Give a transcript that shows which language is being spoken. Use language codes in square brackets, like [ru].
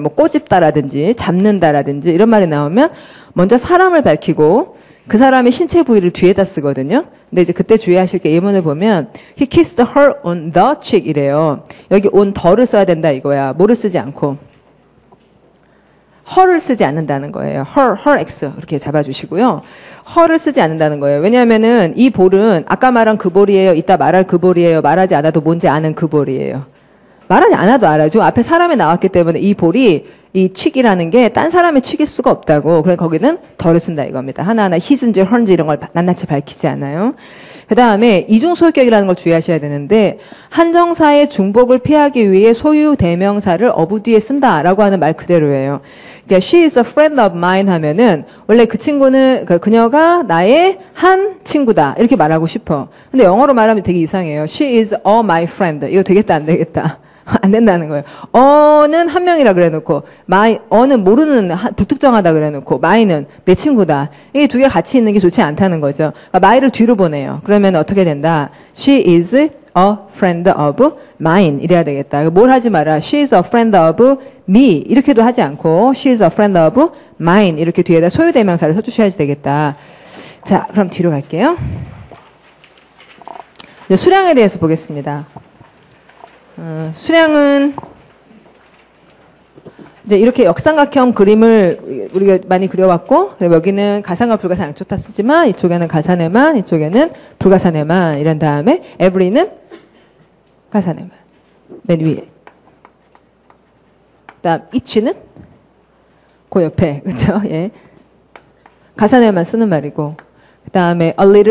[ko] 뭐 꼬집다라든지 잡는다라든지 이런 말이 나오면 먼저 사람을 밝히고 그 사람의 신체 부위를 뒤에다 쓰거든요. 근데 이제 그때 주의하실 게 예문을 보면 [en] he kissed her on the cheek [ko] 이래요. 여기 on the를 써야 된다 이거야. 뭐를 쓰지 않고 her를 쓰지 않는다는 거예요. her, her x 이렇게 잡아주시고요. her를 쓰지 않는다는 거예요. 왜냐하면은 이 볼은 아까 말한 그 볼이에요. 이따 말할 그 볼이에요. 말하지 않아도 뭔지 아는 그 볼이에요. 말하지 않아도 알아요. 지금 앞에 사람이 나왔기 때문에 이 볼이 이 칙이라는 게 딴 사람의 칙일 수가 없다고. 그래서 거기는 덜을 쓴다 이겁니다. 하나하나 his인지 her인지 이런 걸 낱낱이 밝히지 않아요. 그다음에 이중소유격이라는 걸 주의하셔야 되는데 한정사의 중복을 피하기 위해 소유 대명사를 어부 뒤에 쓴다라고 하는 말 그대로예요. 그러니까 [en] she is a friend of mine [ko] 하면은 원래 그 친구는 그녀가 나의 한 친구다 이렇게 말하고 싶어. 근데 영어로 말하면 되게 이상해요. [en] She is a my friend. [ko] 이거 되겠다 안 되겠다. 안 된다는 거예요. 어는 한 명이라 그래놓고 마이 어는 모르는 불특정하다 그래놓고 마이는 내 친구다. 이게 두 개 같이 있는 게 좋지 않다는 거죠. 그러니까 마이를 뒤로 보내요. 그러면 어떻게 된다? [en] She is a friend of mine [ko] 이래야 되겠다. 뭘 하지 마라. [en] She is a friend of me [ko] 이렇게도 하지 않고 [en] She is a friend of mine [ko] 이렇게 뒤에다 소유 대명사를 써주셔야지 되겠다. 자, 그럼 뒤로 갈게요. 이제 수량에 대해서 보겠습니다. 수량은 이제 이렇게 역삼각형 그림을 우리가 많이 그려왔고 여기는 가산과 불가산 양쪽 다 쓰지만 이쪽에는 가산에만 이쪽에는 불가산에만 이런 다음에 every는 가산에만 맨 위에 그다음 each는 그 옆에 그렇죠 예 가산에만 쓰는 말이고 그다음에 a